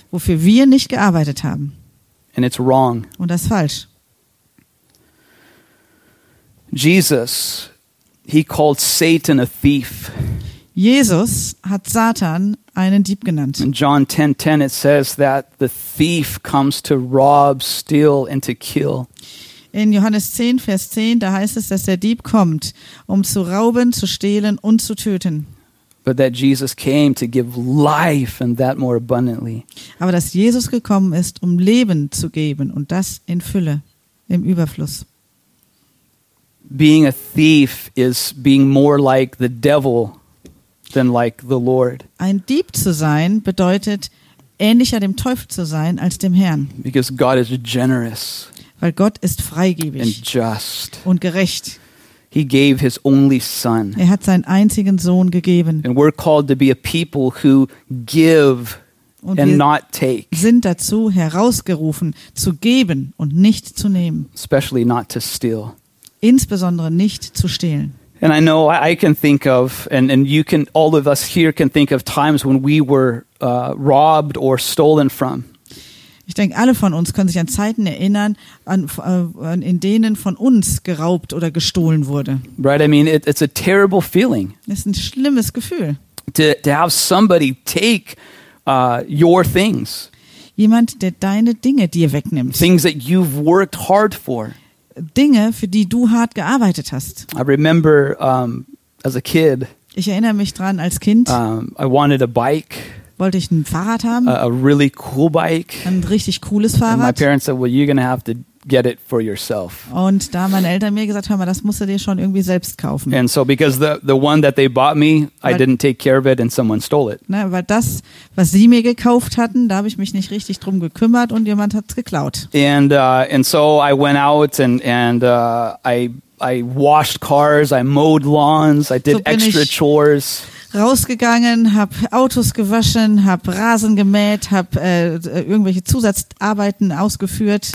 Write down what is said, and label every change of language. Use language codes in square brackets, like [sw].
[de] Wofür wir nicht gearbeitet haben. [en] And it's wrong. [de] Und das ist falsch. [en] Jesus, he called Satan a thief. [de] Jesus hat Satan einen Dieb genannt. [en] In John 10:10 it says that the thief comes to rob, steal and to kill. [de] In Johannes 10, Vers 10, da heißt es, dass der Dieb kommt, um zu rauben, zu stehlen und zu töten. [en] But that Jesus came to give life and that more abundantly. [de] Aber dass Jesus gekommen ist, um Leben zu geben und das in Fülle, im Überfluss. [en] Being a thief is being more like the devil than like the Lord. [de] Ein Dieb zu sein bedeutet, ähnlicher dem Teufel zu sein als dem Herrn. [en] Because God is generous. [de] Weil Gott ist freigebig [en] and just. [de] Und gerecht. [en] He gave his only son. [de] Er hat seinen einzigen Sohn gegeben. [en] And we're called to be a people who give and not take. [de] Sind dazu herausgerufen, zu geben und nicht zu nehmen. [en] Especially not to steal. [de] Insbesondere nicht zu stehlen. [en] And I know I can think of, and you can, all of us here can think of times when we were robbed or stolen from. [de] Ich denke, alle von uns können sich an Zeiten erinnern, in denen von uns geraubt oder gestohlen wurde. [en] Right, I mean, it's a terrible feeling. [de] Es ist ein schlimmes Gefühl. [en] To have somebody take your things. [de] Jemand, der deine Dinge dir wegnimmt. [en] Things that you've worked hard for. [de] Dinge, für die du hart gearbeitet hast. [en] I remember as a kid. [de] Ich erinnere mich dran als Kind. [en] I wanted a bike. [de] Wollte ich ein Fahrrad haben? [en] A really cool bike. [de] Ein richtig cooles Fahrrad. [en] And my parents said, well, you're gonna have to get it for yourself. [de] Und da meine Eltern mir gesagt haben, das musst du dir schon irgendwie selbst kaufen. [en] And so because the one that they bought me, I didn't take care of it and someone stole it. [de] Na, weil das, was sie mir gekauft hatten, da habe ich mich nicht richtig drum gekümmert und jemand hat's geklaut. [en] And so I went out and I washed cars, I mowed lawns, I did extra chores. [de] Rausgegangen, hab Autos gewaschen, hab Rasen gemäht, hab irgendwelche Zusatzarbeiten ausgeführt.